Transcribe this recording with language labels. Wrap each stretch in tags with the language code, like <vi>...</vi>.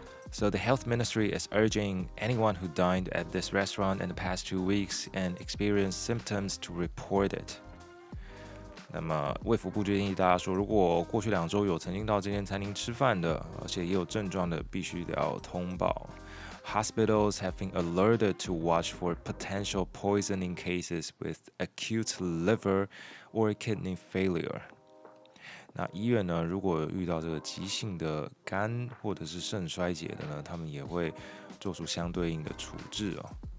<en>So the health ministry is urging anyone who dined at this restaurant in the past 2 weeks and experienced symptoms to report it.</en> <zh>那么卫福部建议大家说，如果过去两周有曾经到这间餐厅吃饭的，而且也有症状的，必须要通报。</zh> <en>Hospitals have been alerted to watch for potential poisoning cases with acute liver or kidney failure.</en> <zh>那医院呢，如果遇到这个急性的肝或者是肾衰竭的呢，他们也会做出相对应的处置哦。</zh>